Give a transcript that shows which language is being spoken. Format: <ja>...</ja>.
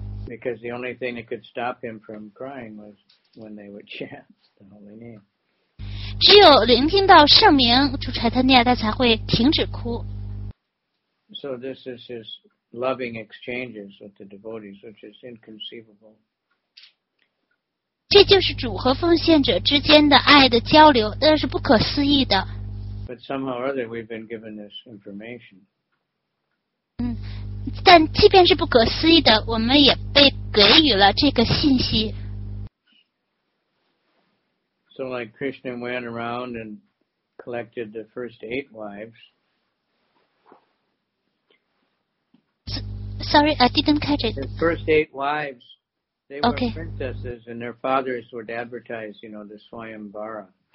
<en>Because the only thing that could stop him from crying was when they would chant the holy name.</en> <zh>只有聆听到圣名，Lord Chaitanya 他才会停止哭。</zh> <en>So this is his loving exchanges with the devotees, which is inconceivable.</en> <zh>这就是主和奉献者之间的爱的交流，但是不可思议的。</zh> <en>But somehow or other, we've been given this information.</en> <zh>但即便是不可思议的，我们也被给予了这个信息。</zh> <en>So like Krishna went around and collected the first 8 wives. Sorry, I didn't catch it. The first 8 wives, they were princesses, and their fathers would advertise, you know, the Swayambara.</en>